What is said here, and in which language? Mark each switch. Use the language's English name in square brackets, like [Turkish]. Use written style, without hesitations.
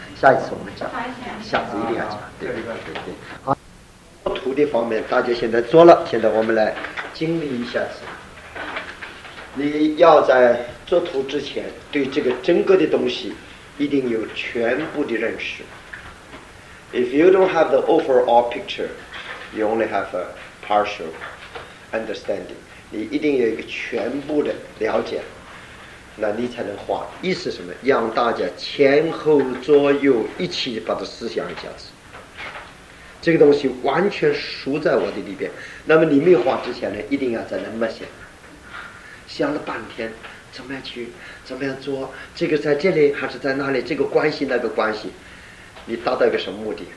[Chinese] 下一次我们讲，下次一定要讲。对。好，图的方面大家现在做了，现在我们来经历一下子。你要在做图之前对这个整个的东西一定有全部的认识。 [English] If you don't have the overall picture, you only have a partial understanding. [Chinese] 你一定有一个全部的了解，那你才能画。意思是什么？让大家前后左右一起把它思想一下子，这个东西完全熟在我的里边。那么你没画之前呢，一定要在那么想，想了半天，怎么样去，怎么样做，这个在这里还是在那里，这个关系那个关系，你达到一个什么目的？